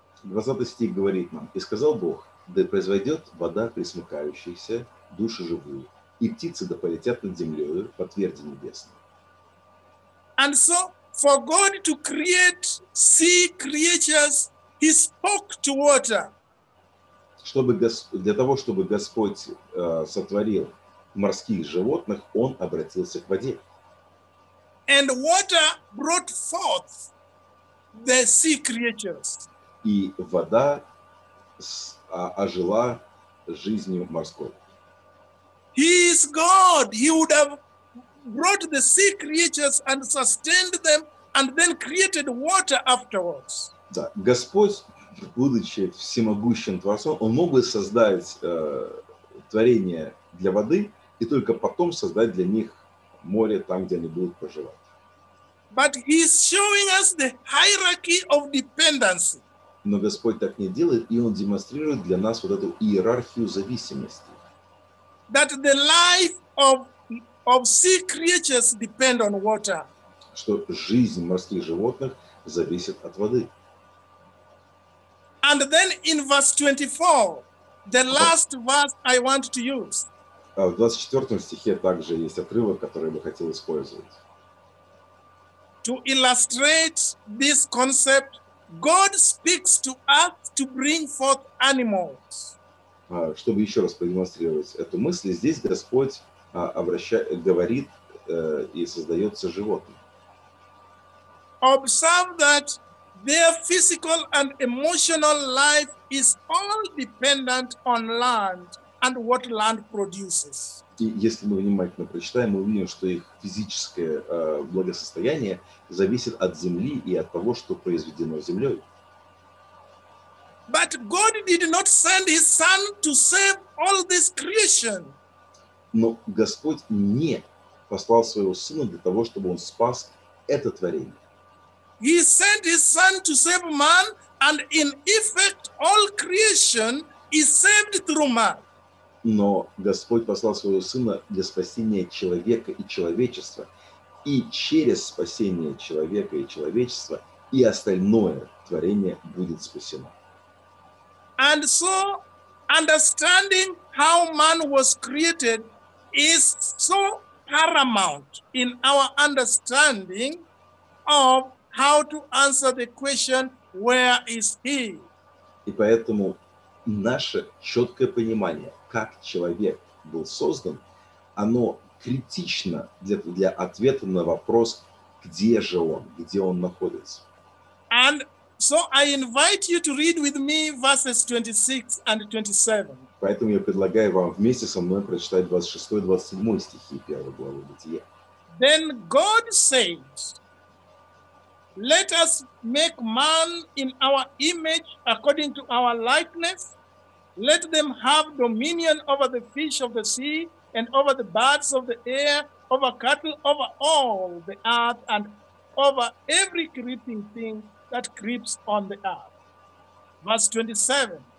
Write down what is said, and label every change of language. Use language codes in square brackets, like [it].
[ru] 20 стих говорит нам: "И сказал Бог: да произойдет вода пресмыкающаяся, души живые, и птицы да полетят над землей по тверди небесной." [en] And so, for God to create sea creatures, He spoke to water. [ru] Для того, чтобы Господь сотворил морских животных, Он обратился к воде. [en] And water brought forth the sea creatures. [ru] И вода ожила жизнью морской. [en] He is God. He would have brought the sea creatures and sustained them and then created water afterwards. [ru] Да, Господь, будучи всемогущим Творцом, Он мог бы создать творение для воды и только потом создать для них море там, где они будут проживать. [en] But He is showing us the hierarchy of dependency. [ru] Но Господь так не делает, и Он демонстрирует для нас вот эту иерархию зависимости. [en] That the life of sea creatures depend on water. [ru] Что жизнь морских животных зависит от воды. [en] And then in verse 24, the last verse I want to use. [ru] В 24 стихе также есть отрывок, который я бы хотел использовать. [en] To illustrate this concept, God speaks to us to bring forth animals. [ru] Чтобы еще раз продемонстрировать эту мысль, здесь Господь говорит и создается животным. [en] Observe that their physical and emotional life is all dependent on land and what land produces. [ru] И если мы внимательно прочитаем, мы увидим, что их физическое благосостояние зависит от земли и от того, что произведено землей. [en] But God did not send his son to save all this creation. [ru] Но Господь не послал своего сына для того, чтобы он спас это творение. [en] He sent his son to save man, and in effect all creation is saved through man. [ru] Но Господь послал своего сына для спасения человека и человечества, и через спасение человека и человечества и остальное творение будет спасено. [en] And so understanding how man was created is so paramount in our understanding of how to answer the question, where is he? [ru] И поэтому наше четкое понимание, как человек был создан, оно критично для ответа на вопрос, где он находится. [en] And so I invite you to read with me verses 26 and 27. [ru] Поэтому я предлагаю вам вместе со мной прочитать 26-27 стихи 1 главы Бытия. [en] Then God said, let us make man in our image according to our likeness. Let them have dominion over the fish of the sea and over the birds of the air, over cattle, over all the earth and over every creeping thing that creeps on the earth. Verse 27.